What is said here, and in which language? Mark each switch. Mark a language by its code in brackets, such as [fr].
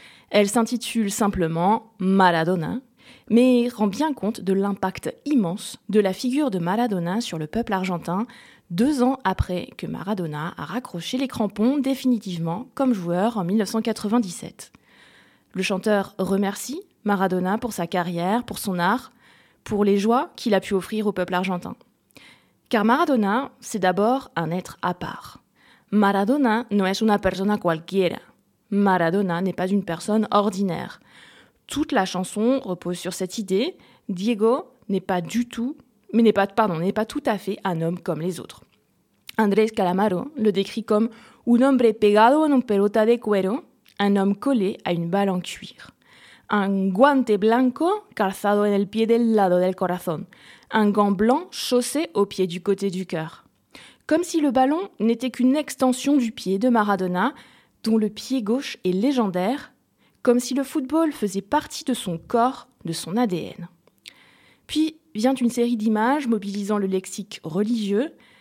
[fr] Elle s'intitule simplement Maradona, mais rend bien compte de l'impact immense de la figure de Maradona sur le peuple argentin 2 ans après que Maradona a raccroché les crampons définitivement comme joueur en 1997. Le chanteur remercie Maradona pour sa carrière, pour son art, pour les joies qu'il a pu offrir au peuple argentin. Car Maradona, c'est d'abord un être à part. [es] Maradona no es una persona cualquiera. [fr] Maradona n'est pas une personne ordinaire. Toute la chanson repose sur cette idée. Diego n'est pas tout à fait un homme comme les autres. Andrés Calamaro le décrit comme [es] un hombre pegado en un pelota de cuero, [fr] un homme collé à une balle en cuir. [es] Un guante blanco calzado en el pie del lado del corazón. [fr] Un gant blanc chaussé au pied du côté du cœur. Comme si le ballon n'était qu'une extension du pied de Maradona, dont le pied gauche est légendaire, comme si le football faisait partie de son corps, de son ADN. Puis vient une série d'images mobilisant le lexique religieux.